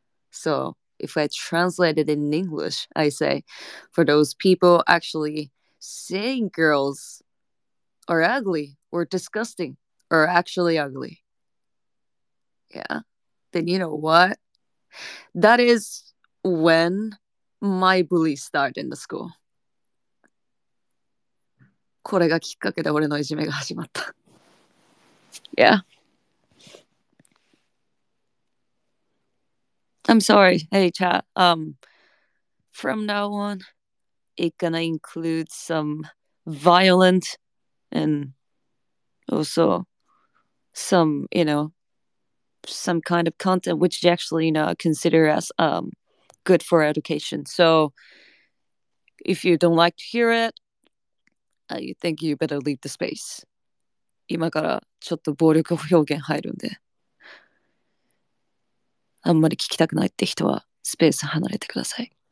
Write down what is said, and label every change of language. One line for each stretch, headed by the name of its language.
English: So if I translate it in English, I say, for those people actually saying girls are ugly or disgusting or actually ugly. Yeah. Then you know what? That is when my bully started in the school.
Japanese: これがきっかけで俺のいじめが始まった。
English: Yeah. I'm sorry. Hey, chat. From now on, it's gonna include some violent and also some, you know, some kind of content which is actually, you know, consider as good for education. So if you don't like to hear it, you think you better leave the space.
Japanese: 今からちょっと暴力表現入るんで、あんまり聞きたくないって人はスペース離れてください。